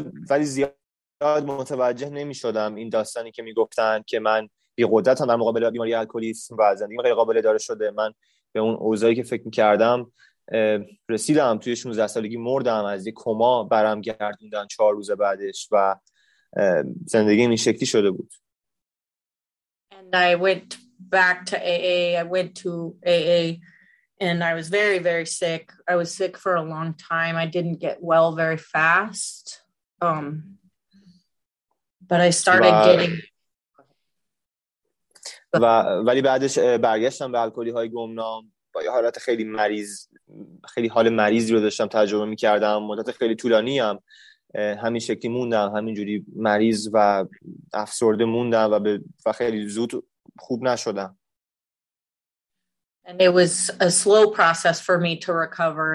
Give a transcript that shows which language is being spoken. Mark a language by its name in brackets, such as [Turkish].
[Persian] ولی زیاد متوجه نمی شدم این داستانی که می گفتن که من بی قدرت هم در مقابل بیماری الکلیسم و زندگی غیر قابل اداره شده. من به اون اوضاعی که فکر می‌کردم رسیدم، توی 16 سالگی مردم، از یک کما برم گردوندن 4 روز بعدش و زندگی این شکلی شده بود. [English] And I went back to AA. I went to AA and I was very very sick. I was sick for a long time. I didn't get well very fast. But I started getting [Persian] و ولی بعدش برگشتم به الکلی های گمنام با یه حالت خیلی مریض، خیلی حال مریضی رو داشتم تجربه میکردم. مدت خیلی طولانی هم همین شکلی موندم، همین جوری مریض و افسرده موندم و خیلی زود خوب نشدم. [English] And it was a slow process for me to recover.